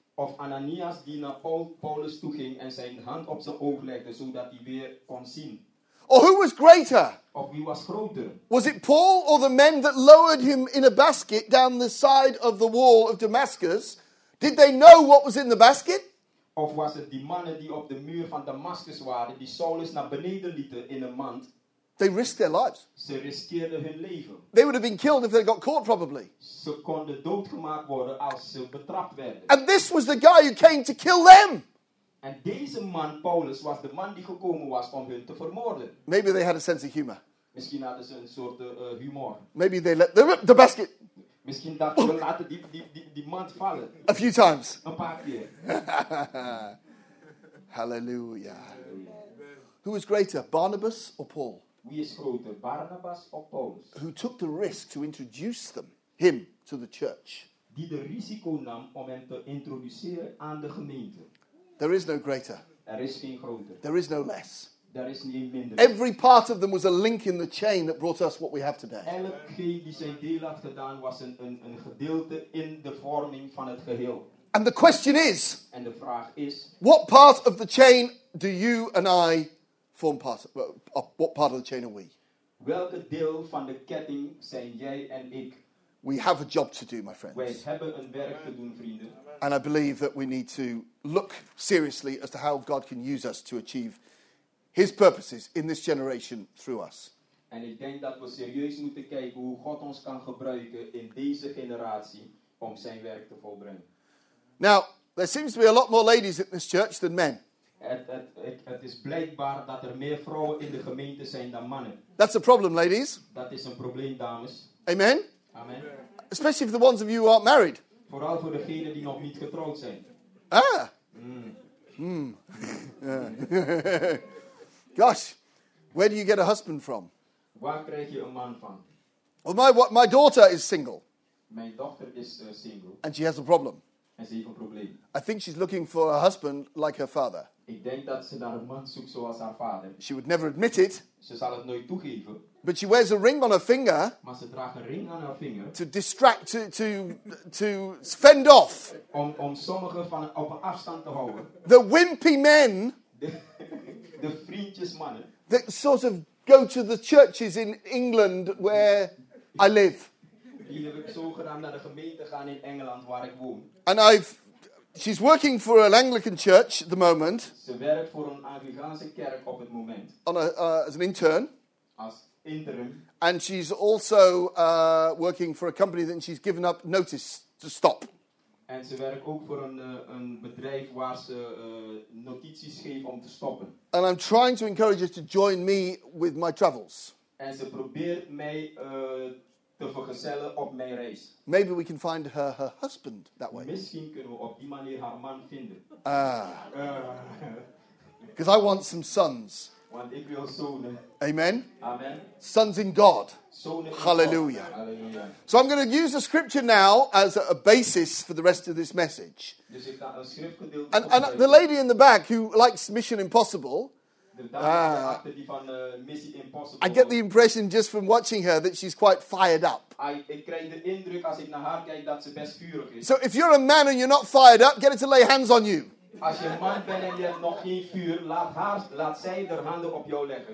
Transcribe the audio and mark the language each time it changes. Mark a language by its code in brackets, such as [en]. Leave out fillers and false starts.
[nl] Of Ananias die naar Paulus toe ging en zijn hand op zijn oog legde zodat hij weer kon zien. [en] Or who was greater? [nl] Of wie was groter? [en] Was it Paul or the men that lowered him in a basket down the side of the wall of Damascus? Did they know what was in the basket? [nl] Of was het die mannen die op de muur van Damascus waren die Saulus naar beneden lieten in een mand? [en] They risked their lives. [nl] Ze riskeerden hun leven. [en] They would have been killed if they got caught, probably. [nl] Ze konden doodgemaakt worden als ze betrapt werden. [en] And this was the guy who came to kill them. [nl] En deze man, Paulus, was de man die gekomen was om hun te vermoorden. [en] Maybe they had a sense of humor. [nl] Misschien hadden ze een soort humor. [en] Maybe they let the basket. [nl] Misschien dachten ze laten die mand vallen. [en] A few times. [nl] Een paar keer. [en] Hallelujah. Who was greater, Barnabas or Paul? [nl] Wie is groter, Barnabas of Paulus? [en] Who took the risk to introduce him to the church? [nl] Die de risico nam om hem te introduceren aan de gemeente. [en] There is no greater. [nl] Er is geen groter. [en] There is no less. [nl] Er is geen minder. [en] Every part of them was a link in the chain that brought us what we have today. [nl] Elkeen die zijn deel had gedaan was een gedeelte in de vorming van het geheel. [en] And the question is. [nl] En de vraag is. [en] What part of the chain do you and I form part of, what part of the chain are we? [nl] Welke deel van de ketting zijn jij en ik? [en] We have a job to do, my friends. [nl] Wij hebben een werk te doen, vrienden. [en] And I believe that we need to look seriously as to how God can use us to achieve his purposes in this generation through us. [nl] En ik denk dat we serieus moeten kijken hoe God ons kan gebruiken in deze generatie om zijn werk te volbrengen. [en] Now, There seems to be a lot more ladies in this church than men. [nl] Het is blijkbaar dat er meer vrouwen in de gemeente zijn dan mannen. [en] That's a problem, ladies. [nl] Dat is een probleem, dames. [en] Amen. [nl] Amen. [en] Especially for the ones of you who aren't married. [nl] Vooral voor degenen die nog niet getrouwd zijn. Ah. Mm. Mm. [en] Gosh, where do you get a husband from? [nl] Waar krijg je een man van? [en] Well, my daughter is single. [nl] Mijn dochter is single. [en] And she has a problem. [nl] En ze heeft een probleem. [en] I think she's looking for a husband like her father. [nl] Ik denk dat ze naar een man zoekt zoals haar vader. [en] She would never admit it. [nl] Ze zal het nooit toegeven. [en] But she wears a ring on her finger. [nl] Maar ze draagt een ring aan haar vinger. [en] To distract, to fend off. [nl] Om sommigen van op een afstand te houden. [en] The wimpy men. [nl] De vriendjes mannen. [en] That sort of go to the churches in England where I live. [nl] Die heb ik zo gedaan naar de gemeente gaan in Engeland waar ik woon. [en] And she's working for an Anglican church at the moment. [nl] Ze werkt voor een Anglicaanse kerk op het moment. [en] As an intern. [nl] Als interim. [en] And she's also working for a company that she's given up notice to stop. [nl] En ze werkt ook voor een bedrijf waar ze notities geeft om te stoppen. [en] And I'm trying to encourage her to join me with my travels. [nl] En ze probeert mij te vergezellen op mijn reis. [en] Maybe we can find her husband that way. [nl] Misschien kunnen we op die manier haar man vinden. [en] Because I want some sons. [nl] Want ik wil zonen. [en] Amen. [nl] Amen. [en] Sons in God. [nl] Zonen. [en] Hallelujah. [nl] Hallelujah. [en] So I'm going to use the scripture now as a basis for the rest of this message. [nl] Dus ik ga een schriftgedeelte. [en] And the lady in the back who likes Mission Impossible. I get the impression just from watching her that she's quite fired up. [nl] Ik krijg de indruk als ik naar haar kijk dat ze best vurig is. [en] So if you're a man and you're not fired up, get her to lay hands on you. [nl] Als je man bent en je hebt nog geen vuur, laat zij de handen op jou leggen.